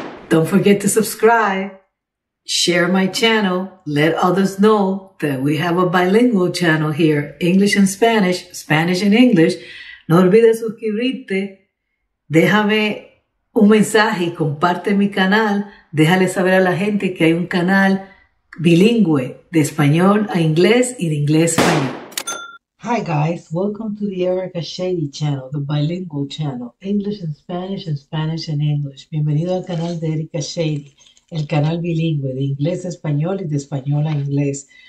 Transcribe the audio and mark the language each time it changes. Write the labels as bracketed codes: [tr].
[en] Don't forget to subscribe, share my channel, let others know that we have a bilingual channel here, English and Spanish, Spanish and English. [es] No olvides suscribirte, déjame un mensaje y comparte mi canal. Déjale saber a la gente que hay un canal bilingüe de español a inglés y de inglés a español. [en] Hi guys, welcome to the Erica Shady channel, the bilingual channel, English and Spanish and English. [es] Bienvenido al canal de Erica Shady, el canal bilingüe de inglés a español y de español a inglés.